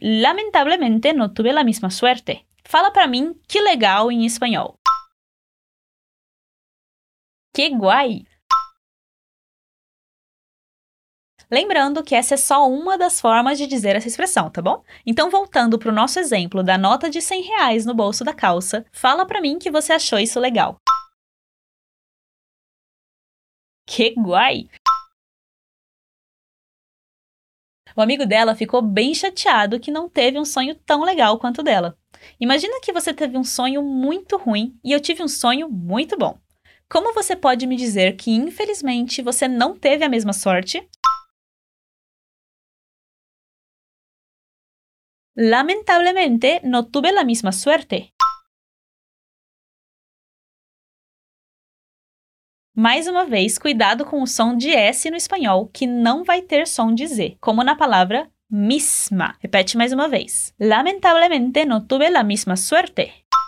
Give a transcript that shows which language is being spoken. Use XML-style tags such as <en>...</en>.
<es>Lamentablemente, no tuve la misma suerte.</es> <pt>Fala para mim que legal em espanhol.</pt> <es>Que guai!</es> <pt>Lembrando que essa é só uma das formas de dizer essa expressão, tá bom? Então, voltando para o nosso exemplo da nota de 100 reais no bolso da calça, fala para mim que você achou isso legal.</pt> <es>Que guai!</es> <pt>O amigo dela ficou bem chateado que não teve um sonho tão legal quanto o dela. Imagina que você teve um sonho muito ruim e eu tive um sonho muito bom. Como você pode me dizer que, infelizmente, você não teve a mesma sorte?</pt> <es>Lamentablemente, no tuve la misma suerte.</es> <pt>Mais uma vez, cuidado com o som de S no espanhol, que não vai ter som de Z, como na palavra misma. Repete mais uma vez. Lamentablemente, no tuve la misma suerte.</pt>